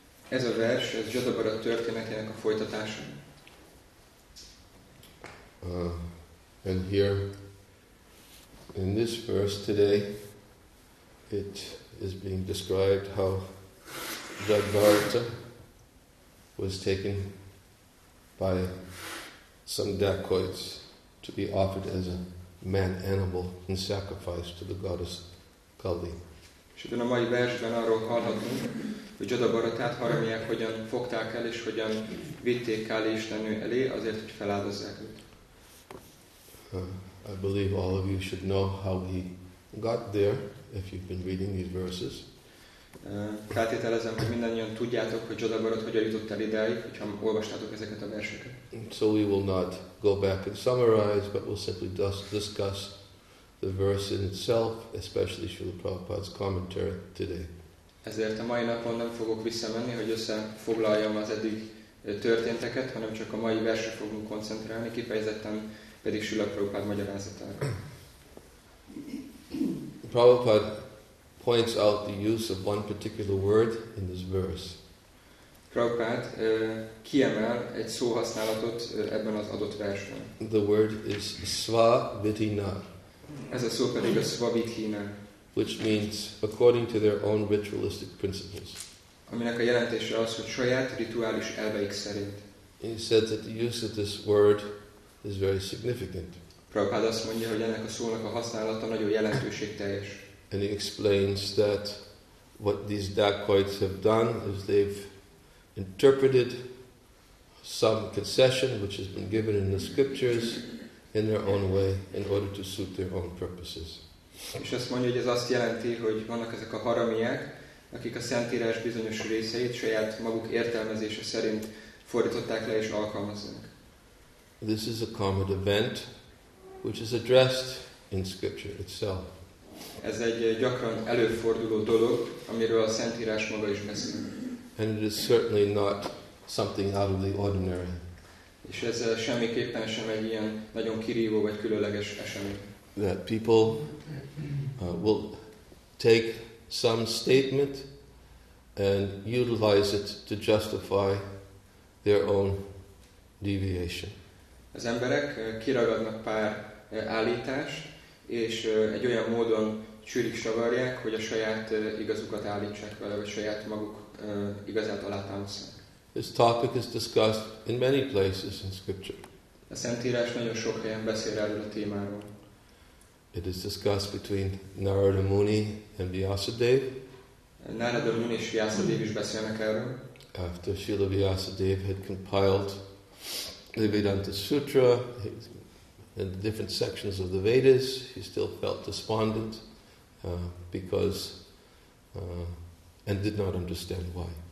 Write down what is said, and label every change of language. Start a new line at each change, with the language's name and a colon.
Hungarian: Ez a vers, ez Jadbharata történetének a folytatása.
English: And here, in this verse today, it is being described how Jadbharata was taken by some dacoits to be offered as a man-animal in sacrifice to the goddess Kali.
Hungarian: És ebben a mai versben arról hallhatunk, hogy Jadbharatát harmiák hogyan fogták el, és hogyan vitték Kali istennő elé azért, hogy feláldozzák őt.
English: I believe all of you should know how he got there if you've been reading these verses.
Hungarian: Feltételezem, hogy mindannyian tudjátok, hogy Jadbharata hogyan jutott el ideig, hogyha olvastátok ezeket a verseket.
English: So we will not go back and summarize, but we'll simply discuss the verse in itself, especially Srila Prabhupada's commentary today.
Hungarian: Ezért a mai napon nem fogok visszamenni, hogy összefoglaljam az eddig történteket, hanem csak a mai versre fogunk koncentrálni, kifejezetten pedig Srila Prabhupada magyarázatára.
English: Prabhupada points out the use of one particular word in this verse.
Hungarian: Prabhupada kiemel egy szóhasználatot ebben az adott versben.
English: The word is svavidhina.
Hungarian: Ez a szó pedig a svavidhina.
English: Which means according to their own ritualistic principles.
Hungarian: Aminek a jelentése az, hogy saját rituális elveik szerint.
English: And he said that the use of this word is very significant.
Hungarian: Prabhupada azt mondja, hogy ennek a szónak a használata nagyon jelentőségteljes.
English: And he explains that what these dacoits have done is they've interpreted some concession which has been given in the scriptures in their own way in order to suit their own purposes.
Hungarian: És azt mondja, hogy ez azt jelenti, hogy vannak ezek a haramiák, akik a szentírás bizonyos részeit saját maguk értelmezése szerint fordították le és alkalmazzák.
English: This is a common event which is addressed in scripture itself.
Hungarian: Ez egy gyakran előforduló dolog, amiről a Szentírás maga is beszél.
English: And it is certainly not something out of the ordinary.
Hungarian: És ez semmiképpen sem egy ilyen nagyon kirívó vagy különleges esemény.
English: That people will take some statement and utilize it to justify their own deviation.
Hungarian: Az emberek kiragadnak pár állítást, és egy olyan módon csűrik savarják, hogy a saját igazukat állítsák vele, vagy saját maguk igazát alátámasztják.
English: This topic is discussed in many places in scripture.
Hungarian: A Szentírás nagyon sok helyen beszél erről a témáról.
English: It is discussed between Narada Muni and Vyasadeva.
Hungarian: Narada Muni és Vyasadeva is beszélnek erről.
English: After Srila Vyasadeva had compiled the Vedanta Sutra, in the different sections of the Vedas, he still felt despondent because and did not understand why.